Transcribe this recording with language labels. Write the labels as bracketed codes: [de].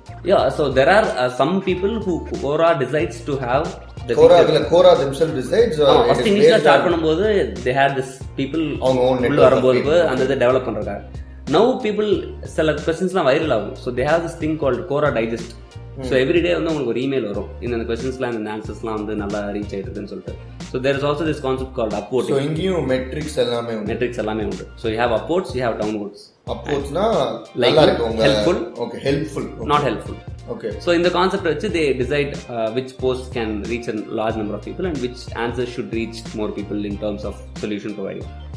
[en] Yeah, so there are some people who Quora decides to have the Quora themselves decides first initially [ta] start பண்ணும்போது [en] they had this people [ta] அவங்க own network வரும்போது அந்த இதை develop பண்றாங்க. Now people சில questionsலாம் viral ஆகும். [en] So they have this thing called Quora Digest. [ta] So every day வந்து உங்களுக்கு ஒரு இமெயில் வரும் இந்த இந்த க்வெஸ்சன்ஸ்லாம் இந்த ஆன்சர்ஸ்லாம் வந்து நல்லா ரீச் ஆயிட்டுன்னு சொல்லிட்டு. [en] So there is also this concept called upvote. [ta] So இங்கேயும் மெட்ரிக்ஸ் எல்லாமே உண்டு. மெட்ரிக்ஸ் எல்லாமே உண்டு. [en] So you have upvotes, you have downvotes. [ta] அப்போர்ட்ஸ்னா நல்லா இருக்கும். [en] Helpful. Okay helpful. Not helpful. Okay. So [ta] இந்த கான்செப்ட் வச்சு [en] They decide which post can reach a large number of people and which answer should reach more people in terms of solution providing.